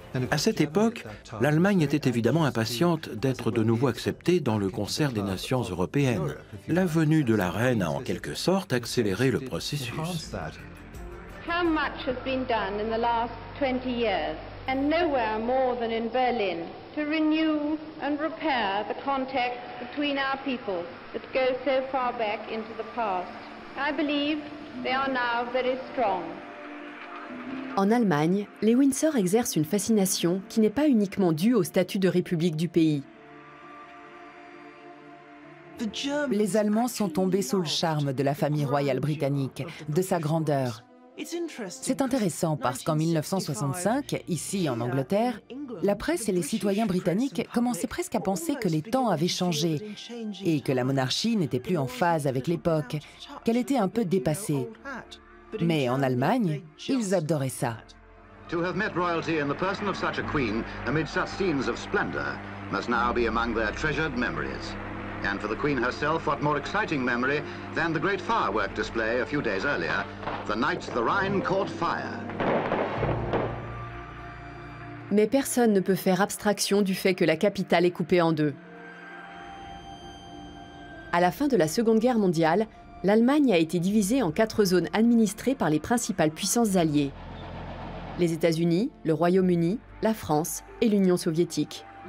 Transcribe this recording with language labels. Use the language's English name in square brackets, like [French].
[French] À cette époque, l'Allemagne était évidemment impatiente d'être de nouveau acceptée dans le concert des nations européennes. La venue de la reine a en quelque sorte accéléré le processus. [English] How much has been done in the last 20 years, and nowhere more than in Berlin, to renew and repair the contact between our peoples that go so far back into the past. I believe they are now very strong. [French] En Allemagne, les Windsor exercent une fascination qui n'est pas uniquement due au statut de république du pays. Les Allemands sont tombés sous le charme de la famille royale britannique, de sa grandeur. C'est intéressant parce qu'en 1965, ici en Angleterre, la presse et les citoyens britanniques commençaient presque à penser que les temps avaient changé et que la monarchie n'était plus en phase avec l'époque, qu'elle était un peu dépassée. Mais en Allemagne, ils adoraient ça. [English] To have met royalty in the person of such a queen amid such scenes of splendor must now be among their treasured memories. And for the queen herself, what more exciting memory than the great firework display a few days earlier, the night the Rhine caught fire. [French] Mais personne ne peut faire abstraction du fait que la capitale est coupée en deux. À la fin de la Seconde Guerre mondiale, l'Allemagne a été divisée en quatre zones administrées par les principales puissances alliées. Les États-Unis, le Royaume-Uni, la France et l'Union soviétique.